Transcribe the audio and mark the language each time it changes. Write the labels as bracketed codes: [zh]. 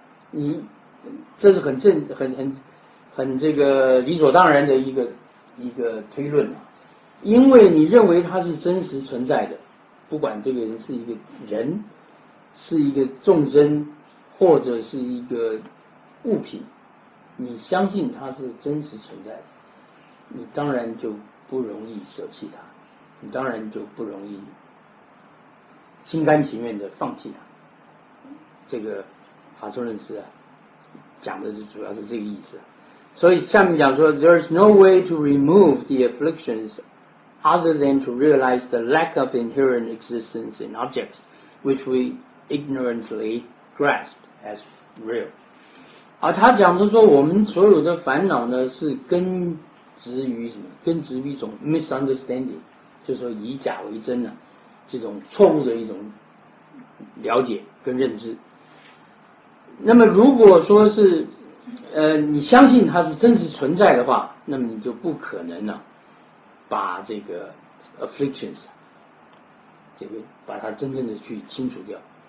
[zh] 你这是很这个理所当然的一个推论啊，因为你认为它是真实存在的，不管这个人是一个人，是一个众生，或者是一个物品，你相信它是真实存在的，你当然就不容易舍弃它，你当然就不容易心甘情愿的放弃它。这个法中论师啊讲的是主要是这个意思。所以下面讲说 [en] There is no way to remove the afflictions other than to realize the lack of inherent existence in objects which we ignorantly grasp as real。 [zh] 而他讲的说我们所有的烦恼呢是根植于什么？根植于一种 misunderstanding， 就是说以假为真呢、这种错误的一种了解跟认知。那么如果说是你相信它是真实存在的话，那么你就不可能呢把这个 afflictions 这个把它真正的去清除掉。